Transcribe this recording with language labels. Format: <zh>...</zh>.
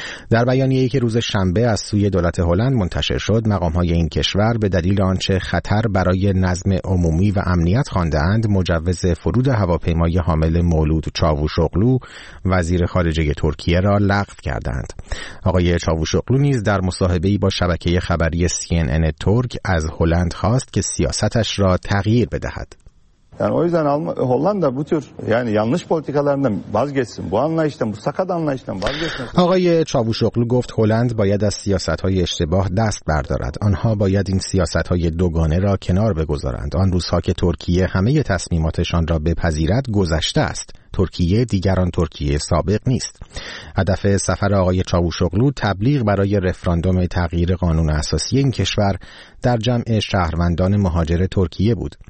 <fa>در بیانیه‌ای که روز شنبه از سوی دولت هلند منتشر شد، مقام‌های این کشور به دلیل آنچه خطر برای نظم عمومی و امنیت خوانده‌اند، مجوز فرود هواپیمای حامل مولود چاوشاوغلو وزیر خارجه ترکیه را لغو کردند. آقای چاوشاوغلو در مصاحبه‌ای با شبکه خبری CNN ترک از هلند خواست که سیاستش را تغییر بدهد.</fa> <tr>Yani o yüzden Hollanda da bu tür yani yanlış politikalarından vazgeçsin. Bu anlayıştan, bu sakat anlayıştan vazgeçsin.</tr> <fa>آقای چاوشاوغلو گفت هلند باید از سیاست‌های اشتباه دست بردارد. آنها باید این سیاست‌های دوگانه را کنار بگذارند. آن روزها که ترکیه همه تصمیماتشان را بپذیرد گذشته است. ترکیه دیگران ترکیه سابق نیست. هدف سفر آقای چاوشاوغلو تبلیغ برای رفراندوم تغییر قانون اساسی این کشور در جمع شهروندان مهاجر ترکیه بود.</fa>